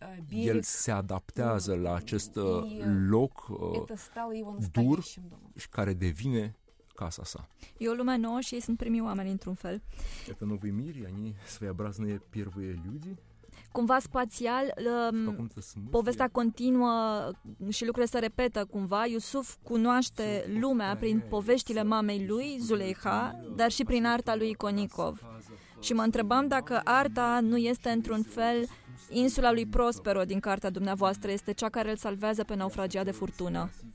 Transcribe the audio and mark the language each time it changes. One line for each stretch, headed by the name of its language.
Romanian: El se adaptează la acest loc dur și care devine casa sa. E o lume nouă și ei sunt primii oameni într-un fel.
Russian: Это новый мир, и они своеобразные первые люди.
Romanian: Cumva spațial, povestea continuă și lucrurile se repetă cumva. Yusuf cunoaște lumea prin poveștile mamei lui, Zuleiha, dar și prin arta lui Iconicov. Și mă întrebam dacă arta nu este într-un fel insula lui Prospero din cartea dumneavoastră, este cea care îl salvează pe naufragia de furtună.